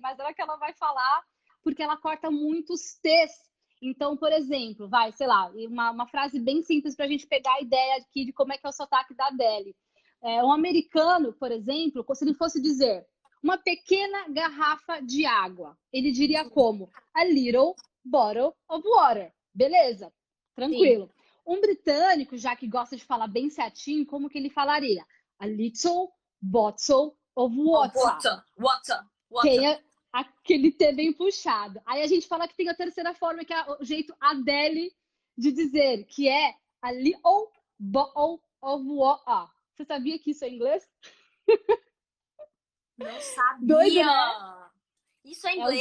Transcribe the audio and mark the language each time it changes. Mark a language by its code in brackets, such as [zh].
[pt] Mas ela que ela vai falar porque ela corta muitos T's. Então, por exemplo, vai, sei lá. Uma frase bem simples pra gente pegar a ideia aqui de como é que é o sotaque da Adele. É, um americano, por exemplo, se ele fosse dizer uma pequena garrafa de água, ele diria como? [en] A little bottle of water. [pt] Beleza? Tranquilo. Sim. Um britânico, já que gosta de falar bem certinho, como que ele falaria? [en] A little bottle of water. Water. [pt] Tem aquele T bem puxado. Aí a gente fala que tem a terceira forma, que é o jeito Adele de dizer, que é [en] a little bottle of water. [pt] Você sabia que isso é inglês? Não sabia. Doido, né? Isso é inglês?